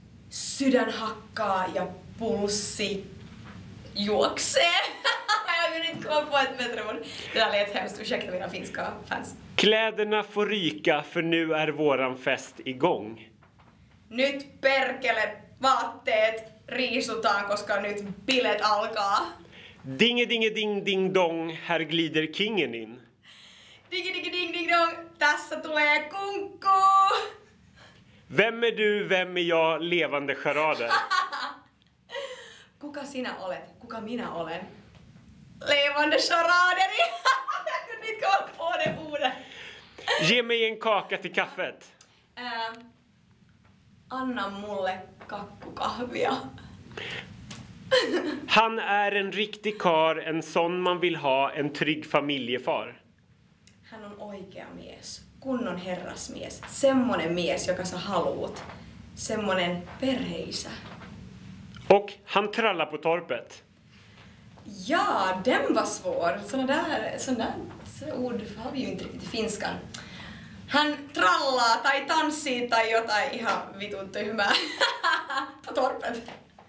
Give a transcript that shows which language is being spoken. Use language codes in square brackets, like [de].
[fi] Sydän hakka ja pulssi juokse. [sv] Jag vill inte komma på ett bättre ord. Det där lät hemskt, ursäkta mina finska fans. Kläderna får ryka för nu är våran fest igång. [fi] Nyt perkele vaatteet riisutaan koska nyt bilet alkaa. [sv] Dinge dinge ding ding dong, här glider kingen in. [fi] Dinge dinge ding ding dong, tässä tulee kunkku. [sv] Vem är du, vem är jag, levande charader? [fi] Kuka sinä olet, kuka minä olen? [sv] Levande charaderi. Jag kunde inte komma på det ordet. Ge mig en kaka till kaffet. [fi] Anna mulle kakkukahvia. [sv] Han är en riktig kar, en sån man vill ha, en trygg familjefar. Han är en [fi] oikea mies, kunnon herrasmies, semmonen mies, joka sa haluut, semmonen perheisä. [sv] Och han trallar på torpet. Ja, den var svår. Sådana där ord har vi ju inte riktigt i finskan. Han trallar, [fi] tai tanssii, tai jotain ihan vitun tyhmää [sv] på torpet.